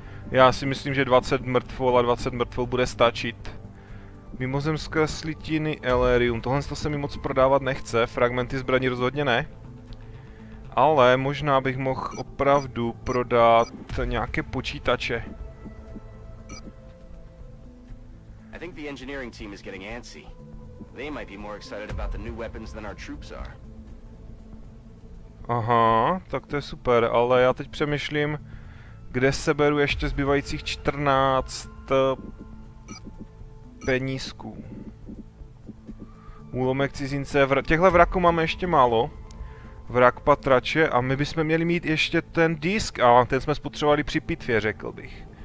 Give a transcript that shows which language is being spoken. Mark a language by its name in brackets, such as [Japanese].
[Czech] Já si myslím, že 20 mrtvol a 20 mrtvol bude stačit. Mimozemské slitiny Elerium. Tohle se mi moc prodávat nechce. Fragmenty zbraní rozhodně ne. Ale možná bych mohl opravdu prodat nějaké počítače. [English] I think the engineering team is getting antsy. They might be more excited about the new weapons than our troops are. [Czech] Aha, tak to je super, ale já teď přemýšlím, kde se beru ještě zbývajících 14 penízků. Úlomek cizince, těchhle vraků máme ještě málo. Vrak patrače a my bychom měli mít ještě ten disk, a ten jsme spotřebovali při pitvě, řekl bych.